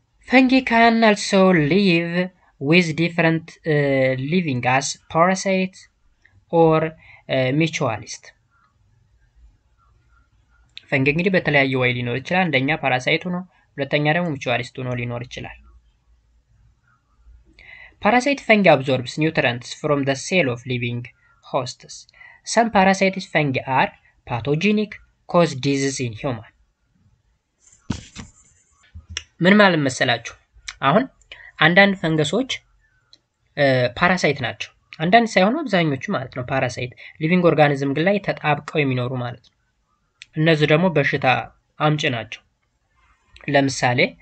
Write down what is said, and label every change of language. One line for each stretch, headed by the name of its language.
English: ፈንጊ ካን አልሶ ሊቭ ዊዝ ዲፈረንት ሊቪንግ አስ ፓራሳይት or mutualist
Amharic: ፈንጊ እንግዲህ በተለያየ ወይ ሊኖር ይችላል
English: አንደኛ ፓራሳይት ሆኖ ሁለተኛ ደግሞ mutualist ሆኖ ሊኖር ይችላል ፓራሳይት ፈንጊ አብዞርብስ ኒውትሪየንትስ from the cell of living hosts Some parasitic fungi are pathogenic, cause disease in human.
Amharic: ምን ማለት መሰላችሁ? አሁን አንዳንድ ፈንገሶች ፓራሳይት ናቸው። አንዳንድ ሳይሆኑ አብዛኞቹ ማለት ነው ፓራሳይት ሊቪንግ ኦርጋኒዝም ግን ላይ ተጣብቀው የሚኖሩ ማለት ነው። እነዚህ ደግሞ በሽታ አምጪ ናቸው። ለምሳሌ